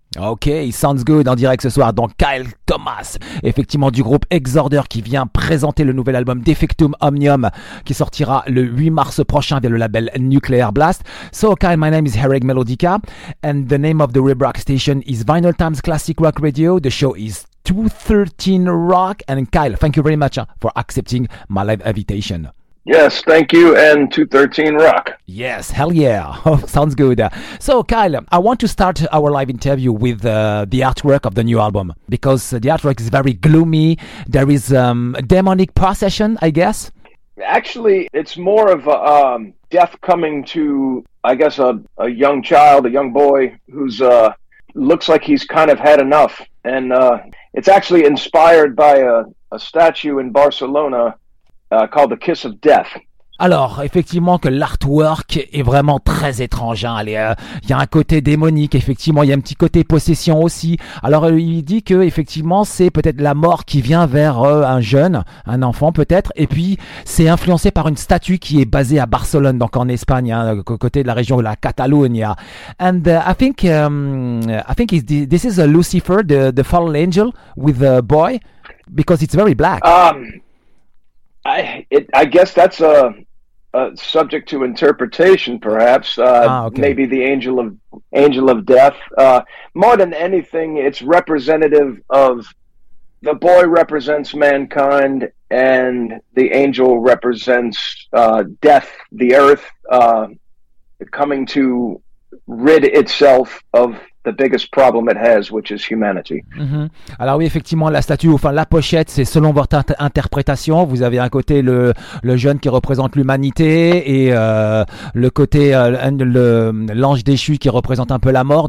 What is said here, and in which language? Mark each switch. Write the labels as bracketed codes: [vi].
[en] Ok, sounds good, [fr] en direct ce soir, donc Kyle Thomas, effectivement du groupe Exorder qui vient présenter le nouvel album Defectum Omnium qui sortira le 8 mars prochain via le label Nuclear Blast. [en] So Kyle, my name is Herreg Melodica and the name of the Rebrock station is Vinyl Times Classic Rock Radio. The show is 213 Rock and Kyle, thank you very much for accepting my live invitation. Yes, thank you, and 213 Rock. Yes, hell yeah. Sounds good. So, Kyle, I want to start our live interview with the artwork of the new album, because the artwork is very gloomy. There is a demonic possession, I guess. Actually, it's more of death coming to, I guess, a young child, a young boy, who's looks like he's kind of had enough. And it's actually inspired by a statue in Barcelona, called The Kiss of Death. [fr] Alors, effectivement que l'artwork est vraiment très étrange. Hein. Il y a un côté démonique, effectivement. Il y a un petit côté possession aussi. Alors, il dit que effectivement, c'est peut-être la mort qui vient vers un jeune, un enfant peut-être. Et puis, c'est influencé par une statue qui est basée à Barcelone, donc en Espagne, hein, côté de la région de la Catalogne. [en] And I think this is a Lucifer, the fallen angel with a boy, because it's very black. I guess that's a subject to interpretation, perhaps. Okay. Maybe the angel of death. More than anything, it's representative of the boy represents mankind, and the angel represents death, the earth coming to rid itself of the biggest problem it has, which is humanity. Mm-hmm. [fr] Alors oui, effectivement, la statue, enfin la pochette, c'est selon votre interprétation. Vous avez un côté le jeune qui représente l'humanité et le côté l'ange déchu qui représente un peu la mort.